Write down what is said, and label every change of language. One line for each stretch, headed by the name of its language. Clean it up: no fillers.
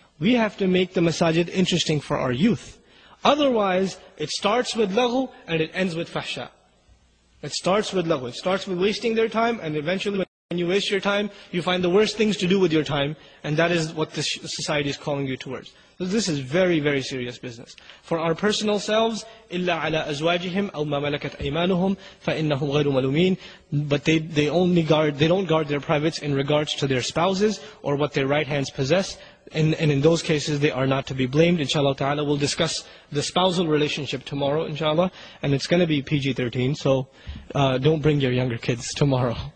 English: We have to make the masajid interesting for our youth. Otherwise, it starts with laghu and it ends with fahsha. It starts with laghu. It starts with wasting their time, and eventually when you waste your time, you find the worst things to do with your time. And that is what this society is calling you towards. This is very, very serious business. For our personal selves,
Arabic: إِلَّا عَلَىٰ أَزْوَاجِهِمْ أَوْ مَا مَلَكَتْ أَيْمَانُهُمْ فَإِنَّهُمْ غَيْرُ مَلُومِينَ.
English: But they don't guard their privates in regards to their spouses or what their right hands possess. And in those cases, they are not to be blamed. Inshallah ta'ala, we'll discuss the spousal relationship tomorrow, inshallah. And it's going to be PG-13, so don't bring your younger kids tomorrow.